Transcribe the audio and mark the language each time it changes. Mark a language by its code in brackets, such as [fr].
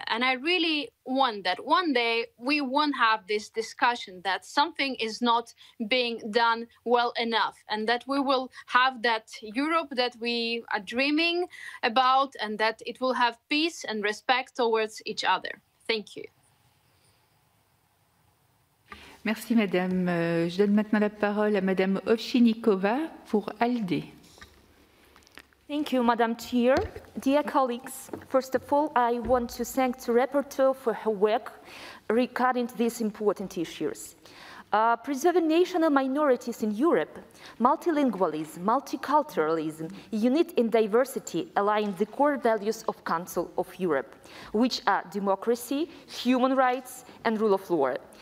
[en] And I really want that one day we won't have this discussion that something is not being done well enough, and that we will have that Europe that we are dreaming about, and that it will have peace and respect towards each other. Thank you. [fr] Merci, madame. Je donne maintenant la parole à madame Ovchinnikova pour ALDE. [en] Thank you, Madam Chair. Dear colleagues, first of all, I want to thank the rapporteur for her work regarding these important issues. Preserving national minorities in Europe, multilingualism, multiculturalism, unity and diversity align the core values of Council of Europe, which are democracy, human rights, and rule of law.